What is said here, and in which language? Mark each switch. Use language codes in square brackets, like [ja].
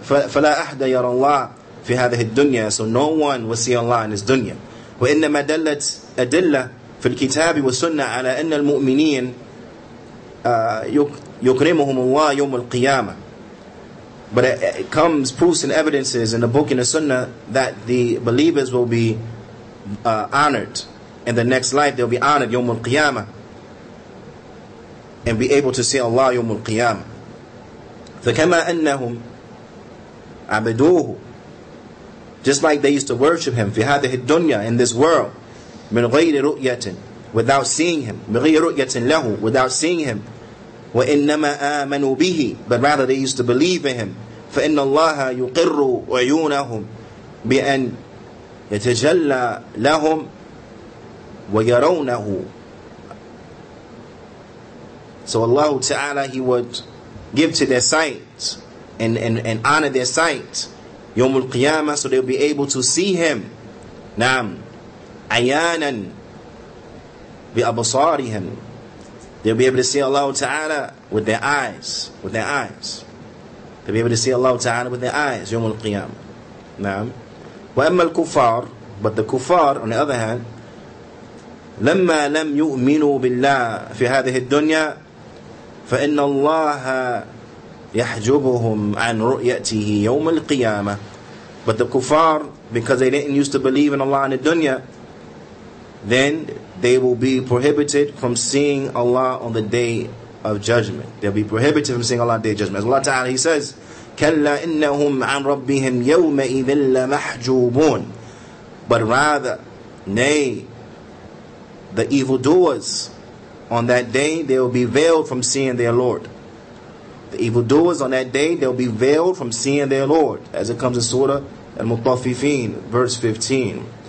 [ar] فلا أحد يرى الله في هذه الدنيا. [en] So no one will see Allah in this dunya. [ar] وإنما دلت أدلة في الكتاب والسنة على أن المؤمنين يكرمهم الله يوم القيامة. [en] But it comes proofs and evidences in the book and the Sunnah that the believers will be honored. In the next life, they'll be honored, يوم القيامة, and be able to see Allah يوم القيامة. [ar] فكما أنهم عبدوه, [en] just like they used to worship Him [ar] في هذه الدنيا, [en] in this world, [ar] من غير رؤية [en] without seeing him. [ar] من غير رؤية له [en] without seeing him. [ar] وإنما آمنوا به [en] but rather they used to believe in him. [ar] فإن الله يقر عيونهم بأن يتجلى لهم ويرونه. [en] So Allah Ta'ala, He would give to their sight and honor their sight. يوم القيامة, so they'll be able to see Him. نعم. [ar] عيانا بأبصارهم. [en] They'll be able to see Allah Ta'ala with their eyes. With their eyes. They'll be able to see Allah Ta'ala with their eyes. [ar] يوم القيامة. نعم. وأما الكفار, [en] but the kufar, on the other hand, [ar] لما لم يؤمنوا بالله في هذه الدنيا, فإن الله يحجبهم عن رؤيته يوم القيامة. [en] But the kufar, because they didn't used to believe in Allah in the dunya, then they will be prohibited from seeing Allah on the day of judgment. They'll be prohibited from seeing Allah on the day of judgment. As Allah Ta'ala, He says, [ar] كلا إنهم عن ربهم يومئذ لمحجوبون. [en] But rather, nay, the evildoers, on that day, they will be veiled from seeing their Lord. The evildoers on that day, they will be veiled from seeing their Lord. As it comes in Surah Al-Mutaffifin, verse 15.